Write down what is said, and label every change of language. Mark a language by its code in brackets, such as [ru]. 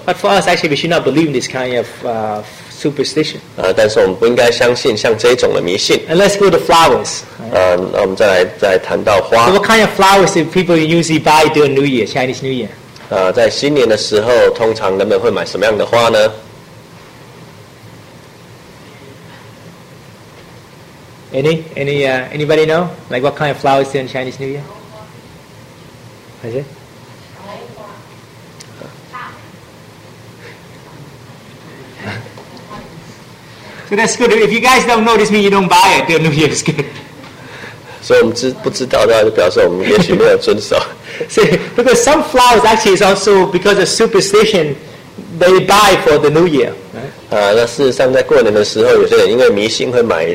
[en] But for us, actually, we should not believe in this kind of superstition. [zh] 但是我们不应该相信像这种的迷信。 [en] And let's go to flowers. [zh] 那我们再谈到花。 [en] So what kind of flowers do people usually buy during New Year, Chinese New Year? [zh] 在新年的时候通常人们会买什么样的花呢? [en] Anybody know? Like what kind of flowers do in Chinese New Year? What is it? So that's good. If you guys don't know, this means you don't buy it during New Year. It's good. So we don't know, that means we probably don't follow. See, because some flowers actually is also because of superstition, they buy for the New Year. [zh] 那事实上在过年的时候有些人因为迷信会买